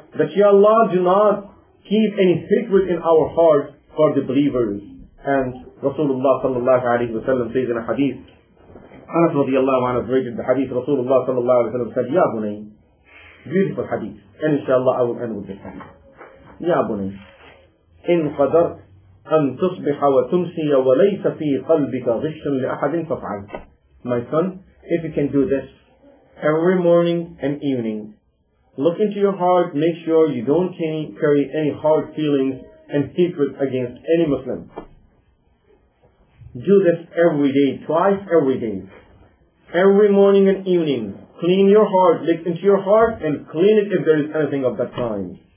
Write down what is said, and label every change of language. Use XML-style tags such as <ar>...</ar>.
<en>That Ya Allah, do not keep any hatred in our heart for the believers. And Rasulullah sallallahu alayhi wa sallam says in a hadith, Anas radiallahu anhu narrated the hadith. Rasulullah sallallahu alayhi wa sallam said,</en> <ar>Ya Bunay.</ar> <en>Beautiful hadith. And inshallah I will end with this hadith.</en> <ar>يا بني إن قدرت أن تصبح وتمسي وليس في قلبك غش لأحد فافعل.</ar> <en>My son, if you can do this every morning and evening, look into your heart, make sure you don't carry any hard feelings and hatred against any Muslim. Do this every day, twice every day. Every morning and evening, clean your heart, look into your heart and clean it if there is anything of that kind.</en>